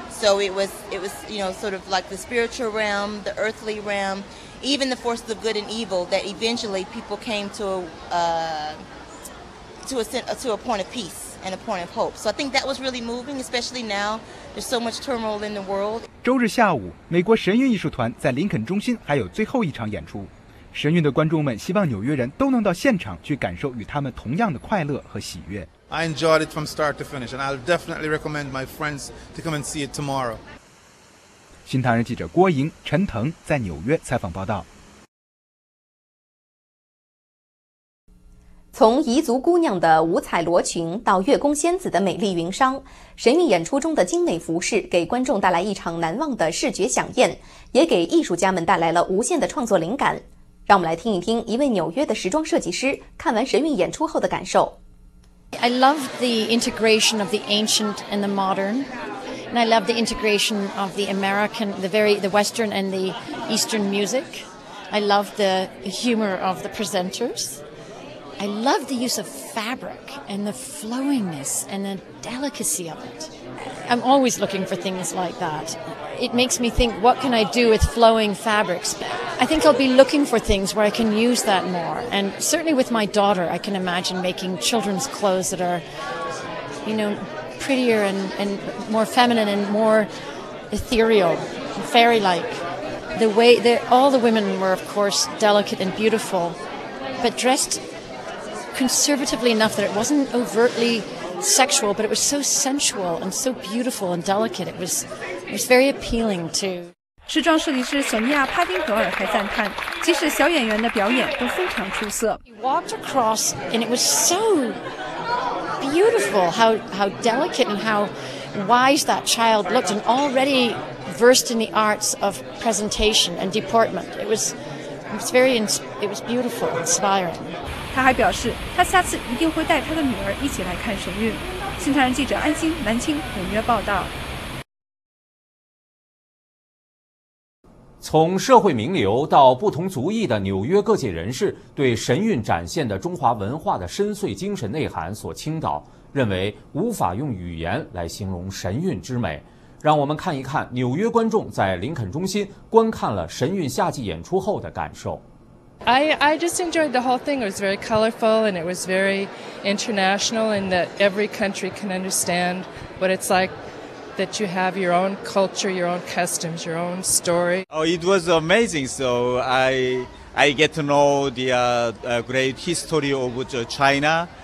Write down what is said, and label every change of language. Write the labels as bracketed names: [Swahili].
[English] So it was, you know, sort of like the spiritual realm, the earthly realm. Even the forces of good and evil, that eventually people came to a point of peace and a point of hope. So I think that was really moving, especially now there's so much turmoil in the world. [Chinese] 周日下午，美国神韵艺术团在林肯中心还有最后一场演出。神韵的观众们希望纽约人都能到现场去感受与他们同样的快乐和喜悦。 [English] I enjoyed it from start to finish, and I'll definitely recommend my friends to come and see it tomorrow. [Chinese] 新唐人记者郭莹、陈腾在纽约采访报道。从彝族姑娘的五彩罗裙到月宫仙子的美丽云裳，神韵演出中的精美服饰给观众带来一场难忘的视觉飨宴，也给艺术家们带来了无限的创作灵感。让我们来听一听一位纽约的时装设计师看完神韵演出后的感受。 [English] I love the integration of the ancient and the modern, and I love the integration of the American, the Western and the Eastern music. I love the humor of the presenters. I love the use of fabric and the flowingness and the delicacy of it. I'm always looking for things like that. It makes me think, what can I do with flowing fabrics? I think I'll be looking for things where I can use that more. And certainly with my daughter, I can imagine making children's clothes that are, you know, prettier and more feminine and more ethereal, fairy-like. The way that all the women were, of course, delicate and beautiful, but dressed conservatively enough that it wasn't overtly sexual, but it was so sensual and so beautiful and delicate. It was very appealing too. [Chinese] 时装设计师索尼亚·帕丁格尔还赞叹，即使小演员的表演都非常出色。 [English] He walked across, and it was so beautiful how delicate and how wise that child looked, and already versed in the arts of presentation and deportment. It was beautiful, inspiring. [Chinese] 他还表示，他下次一定会带他的女儿一起来看神韵。新唐人记者安心、南青，纽约报道。从社会名流到不同族裔的纽约各界人士，对神韵展现的中华文化的深邃精神内涵所倾倒，认为无法用语言来形容神韵之美。让我们看一看纽约观众在林肯中心观看了神韵夏季演出后的感受。 [English] I just enjoyed the whole thing. It was very colorful and it was very international, and that every country can understand what it's like. That you have your own culture, your own customs, your own story. Oh, it was amazing. So I get to know the great history of China.